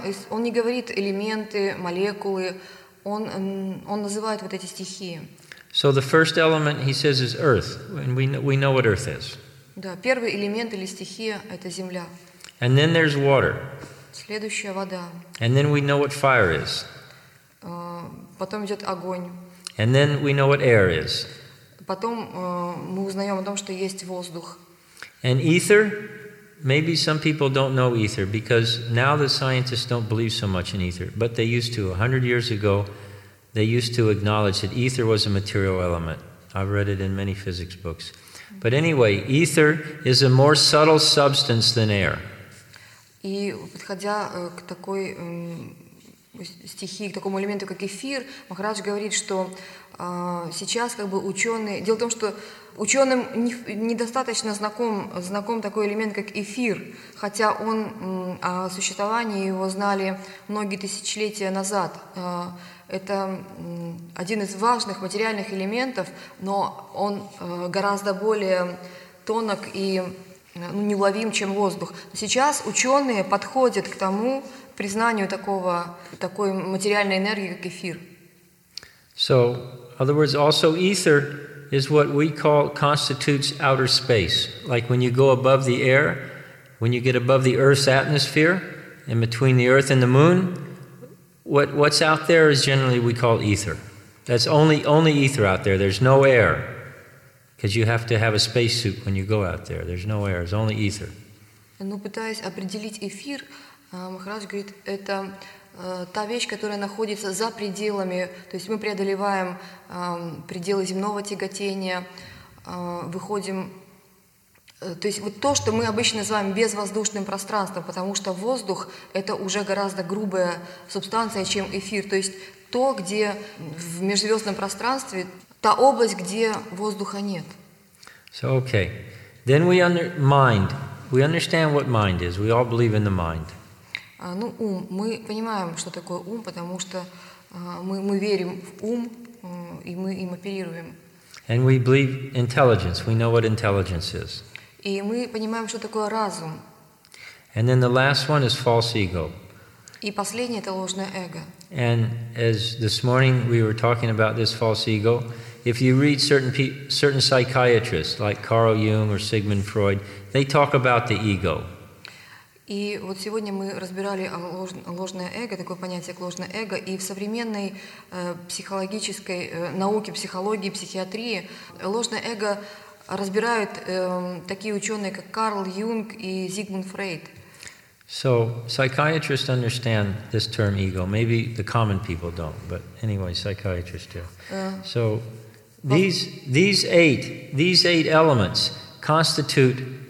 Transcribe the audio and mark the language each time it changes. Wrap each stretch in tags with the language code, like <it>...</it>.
<ru>Он не говорит элементы, молекулы, он называет вот эти стихии.</ru> <en>So the first element, he says, is earth, and we know what earth is.</en> <ru>Да, первый элемент или стихия – это земля.</ru> <en>And then there's water.</en> <ru>Следующая – вода.</ru> <en>And then we know what fire is.</en> <ru>Потом идет огонь.</ru> <en>And then we know what air is.</en> <ru>Потом мы узнаем о том, что есть воздух.</ru> <en>And ether? Maybe some people don't know ether because now the scientists don't believe so much in ether. But they used to. 100 years ago, they used to acknowledge that ether was a material element. I've read it in many physics books. But anyway, ether is a more subtle substance than air.</en> <ru>И подходя к такой стихии, к такому элементу, как эфир, Махарадж говорит, что сейчас как бы ученые... Дело в том, что ученым недостаточно знаком такой элемент, как эфир, хотя он о существовании его знали многие тысячелетия назад. Это один из важных материальных элементов, но он гораздо более тонок и неуловим, чем воздух. Сейчас ученые подходят к тому, признанию такой материальной энергии, как эфир.</ru> <en>So, in other words, also ether is what we call constitutes outer space. Like when you go above the air, when you get above the Earth's atmosphere, and between the Earth and the Moon, what's out there is generally we call ether. That's only ether out there. There's no air, because you have to have a spacesuit when you go out there. There's no air. It's only ether.</en> <ru>Ну, пытаясь определить эфир, Махарадж говорит, это та вещь, которая находится за пределами, то есть мы преодолеваем пределы земного тяготения, выходим, то есть вот то, что мы обычно называем безвоздушным пространством, потому что воздух – это уже гораздо грубая субстанция, чем эфир, то есть то, где в межзвездном пространстве, та область, где воздуха нет.</ru> <en>So, okay. Then we mind. We understand what mind is. We all believe in the mind.</en> <ru>Ну, ум. Мы понимаем, что такое ум, потому что мы верим в ум, и мы им оперируем.</ru> <en>And we believe intelligence. We know what intelligence is.</en> <ru>И мы понимаем, что такое разум.</ru> <en>And then the last one is false ego.</en> <ru>И последнее – это ложное эго.</ru> <en>And as this morning we were talking about this false ego, if you read certain psychiatrists, like Carl Jung or Sigmund Freud, they talk about the ego.</en> <ru>И вот сегодня мы разбирали ложное эго, такое понятие, как ложное эго, и в современной психологической науке, психологии, психиатрии ложное эго разбирают такие ученые, как Карл Юнг и Зигмунд Фрейд.</ru> <en>So, psychiatrists understand this term ego. Maybe the common people don't, but anyway, psychiatrists do. So, these eight elements constitute...</en>